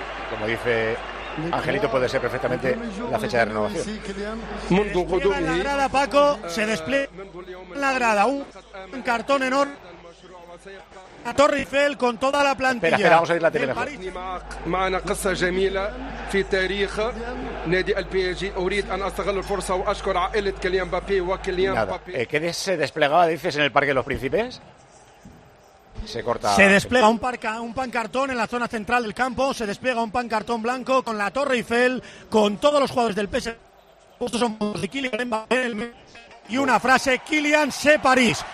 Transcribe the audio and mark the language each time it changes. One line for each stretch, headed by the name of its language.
Spanish: Como dice Angelito, puede ser perfectamente la fecha de renovación. Se despliega la grada, Paco, se despliega la grada, un cartón enorme. A Torre Eiffel con toda la plantilla. Espera, vamos a ir la tele mejor.
Arabic: معنا قصة جميلة في تاريخ نادي البي جي. أريد أن أستغل الفرصة وأشكر عائلة كيليان مبابي وكيليان مبابي.
Spanish: ¿Qué se desplegaba, dices, en el Parque de los Príncipes? Se corta. Se despliega un pancartón en la zona central del campo, se despliega un pancartón blanco con la Torre Eiffel, con todos los jugadores del PSG. Estos son de Kylian Mbappé y una frase: Kylian, sé París.